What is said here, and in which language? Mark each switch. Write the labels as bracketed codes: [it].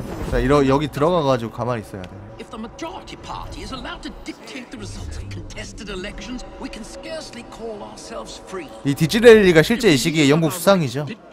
[ko] 자, 이러 여기 들어가 가지고 가만히 있어야 돼. [en] If the majority party is allowed to dictate the results of contested elections, we can scarcely call ourselves free. [ko] 이 디즈레일리가 실제 이 시기에 영국 수상이죠.